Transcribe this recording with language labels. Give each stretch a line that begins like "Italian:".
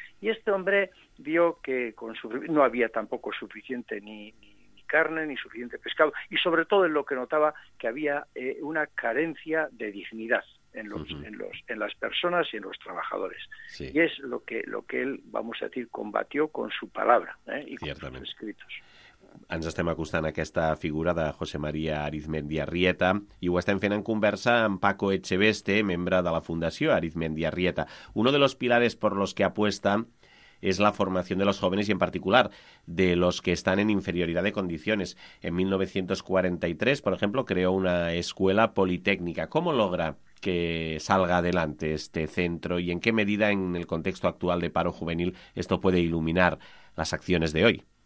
Spanish: Y este hombre vio que no había tampoco suficiente ni carne ni suficiente pescado, y sobre todo en lo que notaba que había una carencia de dignidad en los, uh-huh, en las personas y en los trabajadores. Sí. Y es lo que él, vamos a decir, combatió con su palabra, y con sus escritos.
Catalan: Ens estem acostant a aquesta figura de José María Arizmendi Arrieta i ho estem fent en conversa amb Paco Echebeste, membre de la Fundació Arizmendi Arrieta.
Spanish: Uno de los pilares por los que apuesta es la formación de los jóvenes y en particular de los que están en inferioridad de condiciones. En 1943, por ejemplo, creó una escuela politécnica. ¿Cómo logra que salga adelante este centro y en qué medida en el contexto actual de paro juvenil esto puede iluminar las acciones de hoy?